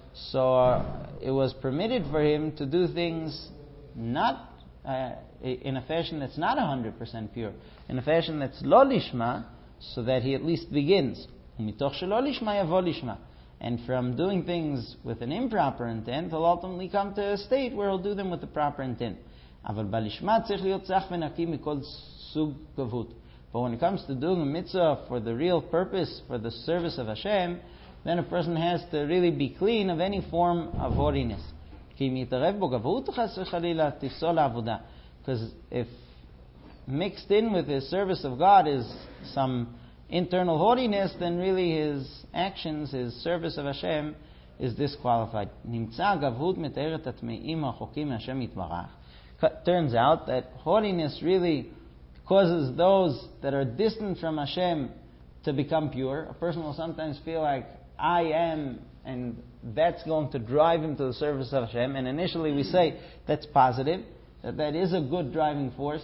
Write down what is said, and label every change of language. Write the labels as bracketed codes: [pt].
[en] So it was permitted for him to do things not in a fashion that's not 100% pure, in a fashion that's lo lishma, so that he at least begins. [he] Umitoch shelo lishma yavo lishma. [en] And from doing things with an improper intent, he'll ultimately come to a state where he'll do them with the proper intent. [he] אבל בלשמה צריך להיות צח ונקי מכל סוג גבות. [en] But when it comes to doing a mitzvah for the real purpose, for the service of Hashem, then a person has to really be clean of any form of haughtiness. [he] כי מתערב בו גבות חס וחלילה תפסול לעבודה. [en] Because if mixed in with his service of God is some internal haughtiness, then really his actions, his service of Hashem, is disqualified. [he] נמצא גבות מתארת התמאים החוקים מהשם יתברך. [en] Turns out that haughtiness really causes those that are distant from Hashem to become pure. A person will sometimes feel like, I am, and that's going to drive him to the service of Hashem. And initially we say, that's positive. That is a good driving force.